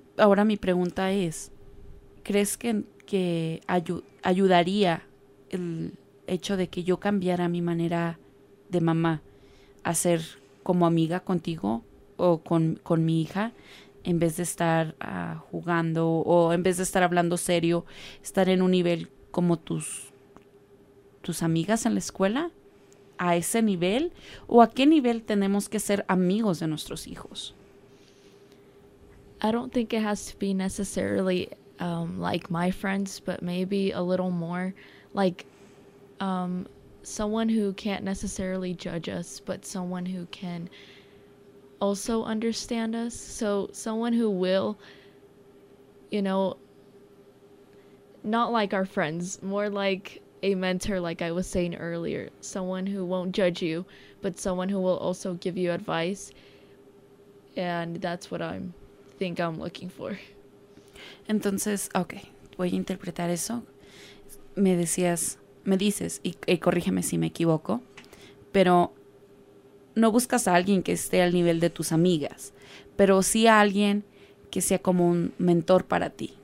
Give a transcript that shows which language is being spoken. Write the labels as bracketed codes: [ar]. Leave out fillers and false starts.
[es] Ahora mi pregunta es, ¿crees que ayudaría el hecho de que yo cambiara mi manera de mamá a ser como amiga contigo o con mi hija? En vez de estar jugando o en vez de estar hablando serio, estar en un nivel como tus amigas en la escuela, a ese nivel, o a qué nivel tenemos que ser amigos de nuestros hijos? [en] I don't think it has to be necessarily like my friends, but maybe a little more like someone who can't necessarily judge us, but someone who can also understand us. So someone who will, you know, not like our friends, more like a mentor, like I was saying earlier, someone who won't judge you, but someone who will also give you advice. And that's what I think I'm looking for. [es] Entonces, okay, voy a interpretar eso. Me dices, y corrígeme si me equivoco, pero no buscas a alguien que esté al nivel de tus amigas, pero sí a alguien que sea como un mentor para ti.